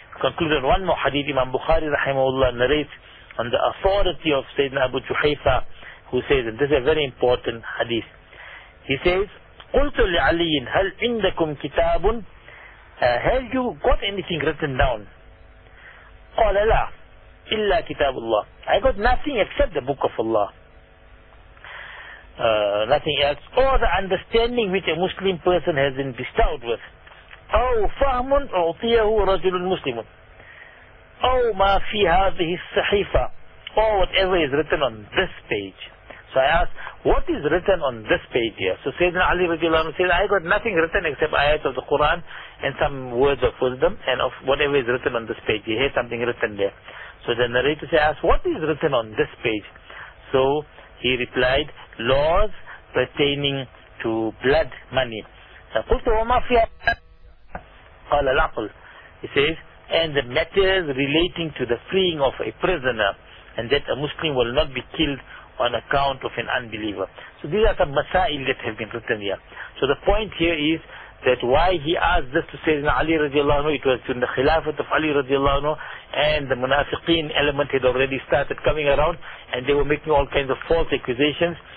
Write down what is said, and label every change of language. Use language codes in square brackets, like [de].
[en] Concluded one more hadith, Imam Bukhari rahimahullah narrates on the authority of Sayyidina Abu Juhayfa, who says, and this is a very important hadith, he says, [ar] قُلْتُ لِعَلِيٍ هَلْ عِنْدَكُمْ كِتَابٌ [en] Have you got anything written down? [ar] قَالَ لَا إِلَّا كِتَابُ اللَّهِ [en] I got nothing except the book of Allah. Nothing else. Or the understanding which a Muslim person has been bestowed with. [ar] أو فهم أعطيه رجل مسلم أو ما في هذه الصحيفة [en] or whatever is written on this page. So I asked, what is written on this page here? So Sayyidina Ali radiallahu anhu said, I got nothing written except ayat of the Quran and some words of wisdom and of whatever is written on this page. You hear something written there. So the narrator said, asked, what is written on this page? So he replied, laws pertaining to blood money. [ar] قلتوا وما فيها قال العقل. [en] He says, and the matters relating to the freeing of a prisoner and that a Muslim will not be killed on account of an unbeliever. So these are some masail that have been written here. So the point here is that why he asked this to Sayyidina Ali radiallahu anhu, it was during the Khilafat of Ali radiallahu anhu, and the Munafiqeen element had already started coming around and they were making all kinds of false accusations.